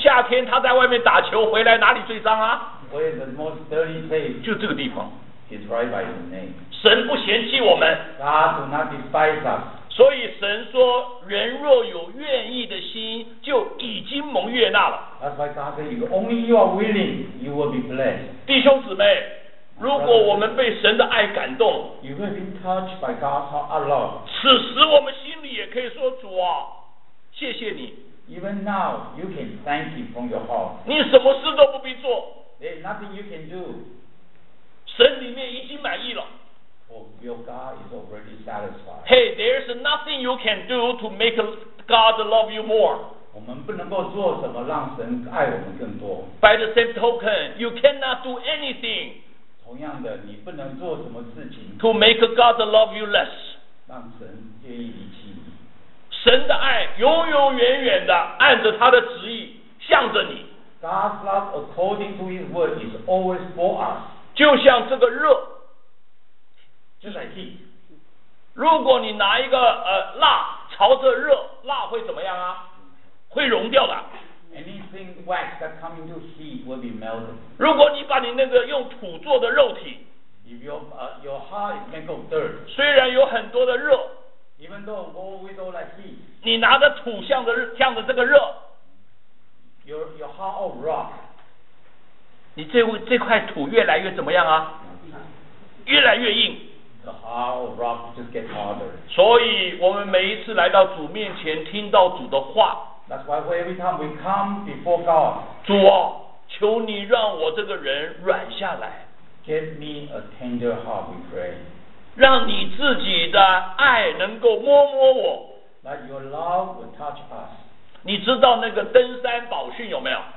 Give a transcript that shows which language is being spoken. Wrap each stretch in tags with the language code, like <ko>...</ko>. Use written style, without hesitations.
<zh>夏天他在外面打球回来哪里最脏啊？</zh> <en>Where the most dirty place?</en> <zh>就这个地方。</zh> <en>It's right by His name.</en> <zh>神不嫌弃我们。</zh> <en>God do not despise us.</en> <zh>所以神说，人若有愿意的心，就已经蒙悦纳了。</zh> <en>That's why God said, if only you are willing, you will be blessed.</en> <zh>弟兄姊妹，如果我们被神的爱感动，</zh> <en>you will be touched by God's heart and love.</en> <zh>此时我们心里也可以说，主啊，谢谢你。</zh> <en>Even now, you can thank Him from your heart.</en> <zh>你什么事都不必做。</zh> <en>There's nothing you can do.</en> <zh>神里面已经满意了。</zh> <en>Oh, your God is already satisfied. Hey, there's nothing you can do to make God love you more.</en> <zh>我们不能够做什么让神爱我们更多。</zh> <en>By the same token, you cannot do anything.</en> <zh>同样的，你不能做什么事情。</zh> <en>To make God love you less.</en> <zh>让神愿意离弃你。神的爱永永远远的按着他的旨意向着你。</zh> <en>God's love according to His word is always for us.</en> <zh>就像这个热，</zh> <en>just like heat.</en> <zh>如果你拿一个蜡朝着热，蜡会怎么样啊？会融掉的。</zh> <en>It Anything wax that comes into heat will be melted.</en> <zh>如果你把你那个用土做的肉体，</zh> <en>if your heart is made of dirt,</en> <zh>虽然有很多的热，</zh> <en>even though all with all that heat,</en> <zh>你拿着土向着这个热，</zh> <en>your heart of rock,</en> <zh>你这块土越来越怎么样啊？越来越硬。</zh> <en>The heart of rock just gets harder.</en> <zh>所以我们每一次来到主面前，听到主的话。</zh> <en>That's why every time we come before God.</en> <zh>主啊，求你让我这个人软下来。</zh> <en>Give me a tender heart, we pray.</en> <zh>让你自己的爱能够摸摸我。</zh> <en>That your love will touch us.</en> <zh>你知道那个登山宝训有没有？</zh>